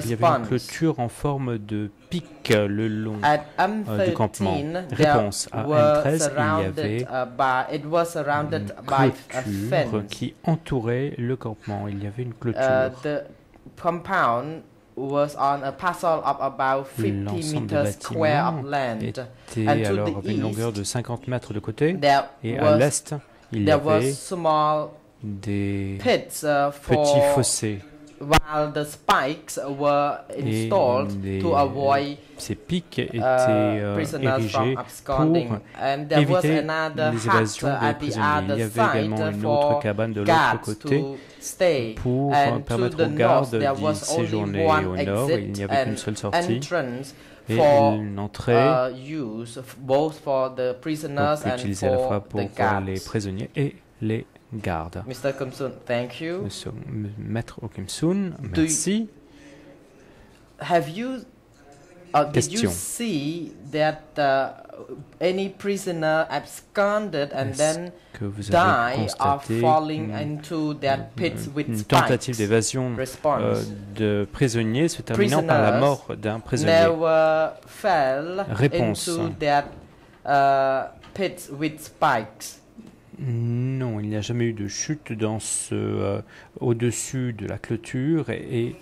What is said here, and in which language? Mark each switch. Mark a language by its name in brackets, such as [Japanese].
[French] Il y avait une clôture en forme de pic le long du campement. Réponse. À M13, il y avait une clôture qui entourait le campement. Il y avait une clôture. [English] Was on a parcel of about 50 meters square of land. [French] Était alors avec une longueur de 50 mètres de côté. Et à l'est, il y avait des [English] pits, [French] petits fossés. [English] While the spikes were installed to avoid [French] ces pics étaient érigés pour éviter les évasions des prisonniers. Il y avait également une autre cabane de l'autre côté pour permettre aux gardes d'y séjourner. Au nord, il n'y avait qu'une seule sortie. Et une entrée utilisée à la fois pour les prisonniers et les gardes. [English] Mr. Kim Soon, thank you. [French] Maître Kim Soon, merci. Question. [English] Did you see that any prisoner absconded and then die of falling into that pit with spikes? [French] Une tentative d'évasion de prisonniers se terminant par la mort d'un prisonnier. [English] Never fell into that pit with spikes. [French] Non, il n'y a jamais eu de chute dans ce au-dessus de la clôture et